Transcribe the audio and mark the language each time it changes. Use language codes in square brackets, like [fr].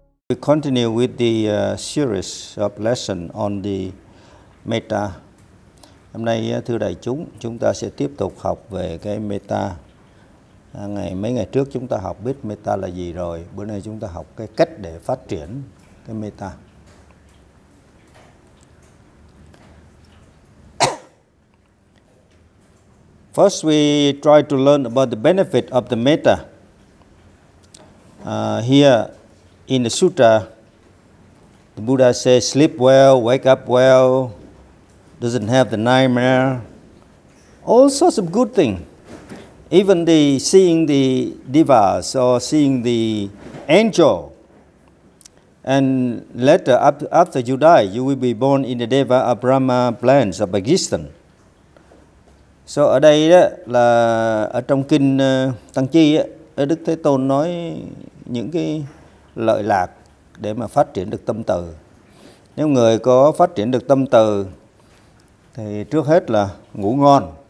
[en] We continue with the series of lesson on the meta. [vi] Hôm nay thưa đại chúng, chúng ta sẽ tiếp tục học về cái meta. Mấy ngày trước chúng ta học biết meta là gì rồi, bữa nay chúng ta học cái cách để phát triển cái meta. [en] First, we try to learn about the benefit of the meta. Here in the sutra, the Buddha says sleep well, wake up well, doesn't have the nightmare, all sorts of good things. Even the seeing the devas or seeing the angel. And later, after you die, you will be born in the deva or brahma plans of existence. [vi] So ở đây đó là ở trong kinh Tăng Chi á, Đức Thế Tôn nói những cái lợi lạc để mà phát triển được tâm từ. Nếu người có phát triển được tâm từ thì trước hết là ngủ ngon.